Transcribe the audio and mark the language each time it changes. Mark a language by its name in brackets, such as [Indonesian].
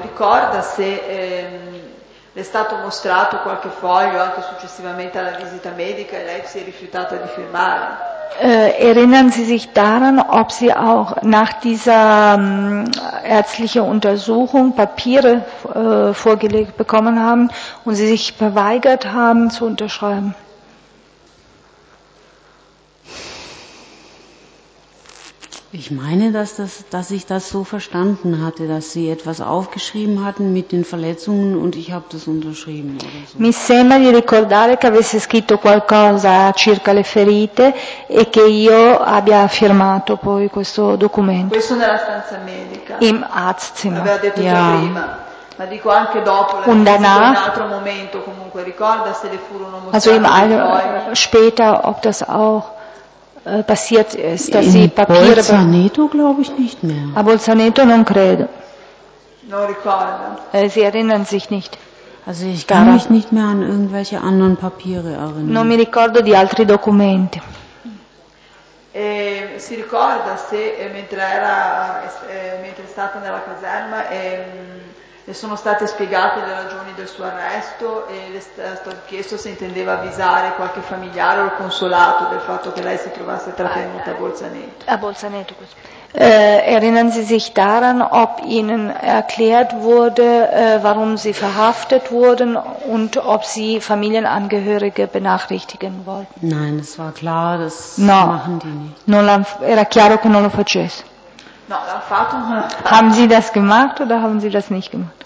[Italian] Ricorda se le è stato mostrato qualche foglio anche successivamente alla visita medica e lei si è rifiutata di firmare? [German] Erinnern Sie sich daran, ob Sie auch nach dieser ärztlichen Untersuchung Papiere vorgelegt bekommen haben und Sie sich verweigert haben zu unterschreiben? Ich meine, dass ich das so verstanden hatte, dass Sie etwas aufgeschrieben hatten mit den Verletzungen und ich habe das unterschrieben. Oder so. [Italian] Mi sembra di ricordare che avesse scritto qualcosa circa le ferite e che io abbia firmato poi questo documento. Questo nella stanza medica. [German] Im Arztzimmer. [Italian] Aveva detto già prima, ma dico anche dopo. [German] Und danach. [Italian] In un altro momento comunque, ricorda se le furono mostrate. [German] Also im Alter, später, ob das auch passiert ist, dass sie Papiere Bolzaneto glaube ich nicht mehr. [Italian] A Bolzaneto non credo. Non ricordo. [German] Sie erinnern sich nicht. Also ich kann mich nicht mehr an irgendwelche anderen Papiere erinnern. [Italian] Non mi ricordo di altri documenti. Si ricorda se mentre è stata nella caserma le sono state spiegate le ragioni del suo arresto e le è stato chiesto se intendeva avvisare qualche familiare o il consolato del fatto che lei si trovasse trattenuta a Bolzaneto. A Bolzaneto, questo. [German] Erinnern Sie sich daran, ob Ihnen erklärt wurde, warum Sie verhaftet wurden und ob Sie Familienangehörige benachrichtigen wollten? Nein, es war klar, das [Italian] no. [German] machen die nicht. [Italian] Non era chiaro che non lo facesse. [German] Haben Sie das gemacht oder haben Sie das nicht gemacht?